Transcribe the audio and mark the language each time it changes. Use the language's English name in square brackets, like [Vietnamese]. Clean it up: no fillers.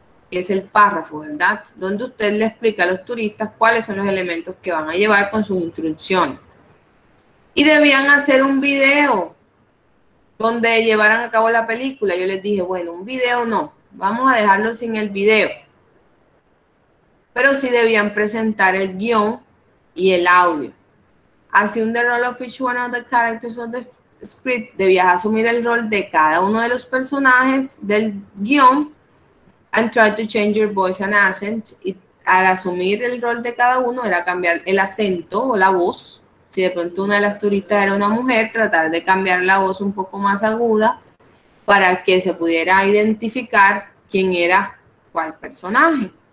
[Spanish] Es el párrafo, ¿verdad?, donde usted le explica a los turistas cuáles son los elementos que van a llevar con sus instrucciones. Y debían hacer un video donde llevaran a cabo la película. Yo les dije, bueno, un video no, vamos a dejarlo sin el video. Pero sí debían presentar el guión y el audio. [English] Assume the role of each one of the characters of the script. [Spanish] Debías asumir el rol de cada uno de los personajes del guión. [English] And try to change your voice and accent. [Spanish] Y al asumir el rol de cada uno era cambiar el acento o la voz. Si de pronto una de las turistas era una mujer, tratar de cambiar la voz un poco más aguda para que se pudiera identificar quién era cuál personaje.